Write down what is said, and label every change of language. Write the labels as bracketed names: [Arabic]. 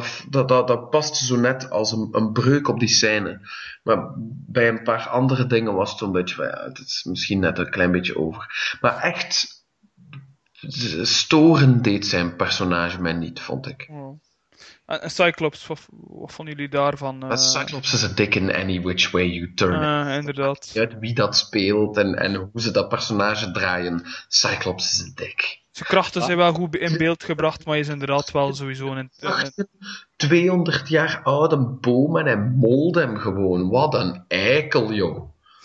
[Dutch] Dat past zo net als een breuk op die scène. Maar bij een paar andere dingen was het een beetje van, ja, het is misschien net een klein beetje over. Maar echt, storend deed zijn personage mij niet, vond ik. En Cyclops, wat vonden jullie daarvan? [English] Cyclops is a dick in any which way you turn it. [Dutch] Inderdaad. Uit wie dat speelt en hoe ze dat personage draaien. [English] Cyclops is a dick. [Dutch] Zijn krachten zijn wel goed in beeld gebracht, maar hij is inderdaad wel sowieso een... 200 jaar oude bomen en mold hem gewoon. Wat een eikel, joh.